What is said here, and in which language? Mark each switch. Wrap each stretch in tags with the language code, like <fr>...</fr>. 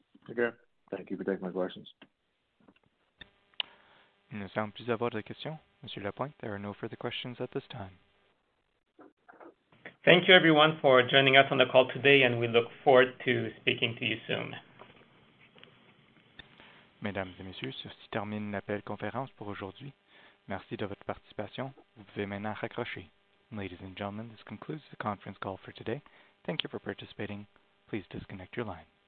<en>Okay. Thank you for taking my questions.</en> <fr>Il ne semble plus avoir de questions.</fr> <en>Monsieur Lapointe, there are no further questions at this time. Thank you, everyone, for joining us on the call today, and we look forward to speaking to you soon.</en> <fr>Mesdames et messieurs, ceci termine l'appel conférence pour aujourd'hui. Merci de votre participation. Vous pouvez maintenant raccrocher.</fr> <en>Ladies and gentlemen, this concludes the conference call for today. Thank you for participating. Please disconnect your line.</en>